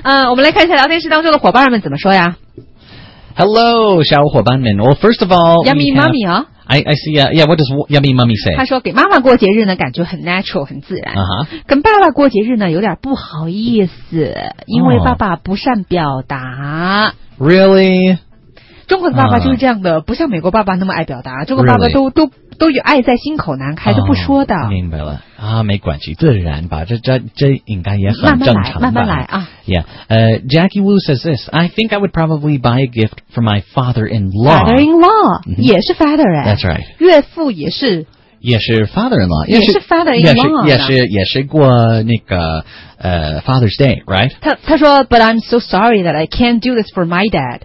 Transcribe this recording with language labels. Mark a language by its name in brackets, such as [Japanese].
[Chinese] 我们来看一下聊天室当中的伙伴们怎么说呀。 [English] Hello, [Chinese] 小伙伴们。 [English] Well, first of all, [Chinese] Yummy Mommy 啊。 [English] I see, yeah, what does yummy mommy say? [Chinese] 他说给妈妈过节日呢感觉很 natural, 很自然。 [English] Uh-huh. [Chinese] 跟爸爸过节日呢有点不好意思因为爸爸不善表达。 [English] Oh. Really? [Chinese] 中国的爸爸就是这样的、不像美国爸爸那么爱表达中国爸爸都、 [English] really? [Chinese] 都有爱在心口难开都不说的。 Oh, 明白了。啊没关系自然吧这应该也很正常吧。慢慢来啊。 [English] Yeah. Jackie Wu says this, I think I would probably buy a gift for my father-in-law. Father-in-law,、mm-hmm. 也是 father 哎。 That's right. [Chinese] 岳父也是。也是 father-in-law. 也是 father-in-law 也是过那个Father's Day, right? 他说 [English] but I'm so sorry that I can't do this for my dad.